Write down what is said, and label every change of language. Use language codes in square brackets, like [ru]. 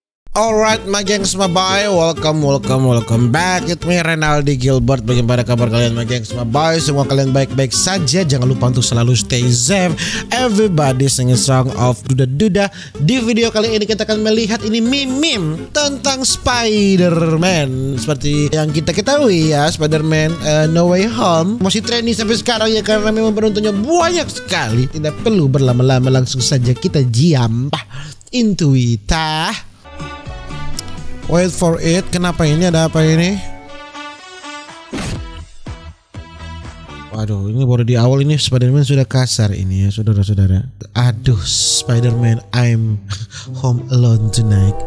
[en] Alright, my gengs, my boy, welcome back. It's me, Renaldi Gilbert. [id] Bagaimana kabar kalian, [en] my gengs, my boy? [id] Semua kalian baik-baik saja. Jangan lupa untuk selalu [en] stay safe. Everybody sing a song of duda-duda. [id] Di video kali ini kita akan melihat ini meme tentang Spider-Man. Seperti yang kita ketahui ya, Spider-Man No Way Home masih trending sampai sekarang ya, karena memang penontonnya banyak sekali. Tidak perlu berlama-lama, langsung saja kita jiampah [en] into it. Wait for it. [id] Kenapa ini, ada apa ini? Waduh, ini baru di awal ini Spider-Man sudah kasar ini ya, saudara-saudara. [en] Aduh, Spider-Man, I'm home alone tonight.